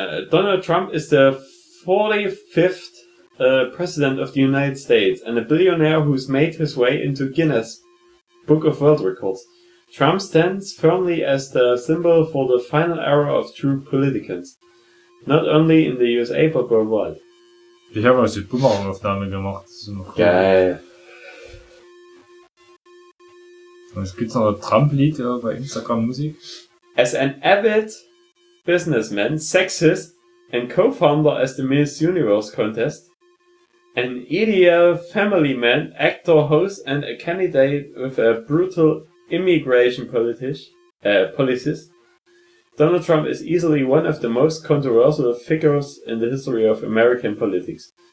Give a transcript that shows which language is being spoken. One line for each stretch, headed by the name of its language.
English: Donald Trump is the 45th President of the United States and a billionaire who's made his way into Guinness Book of World Records. Trump stands firmly as the symbol for the final era of true politicians. Not only in the USA, but worldwide.
German: Ich habe also die Boomerang-Aufnahme gemacht. Das ist immer cool. Geil. Und jetzt gibt's noch ein Trump-Lied ja, bei Instagram-Musik.
English: As an avid businessman, sexist and co-founder as the Miss Universe contest, an ideal family man, actor, host and a candidate with a brutal immigration policies, Donald Trump is easily one of the most controversial figures in the history of American politics.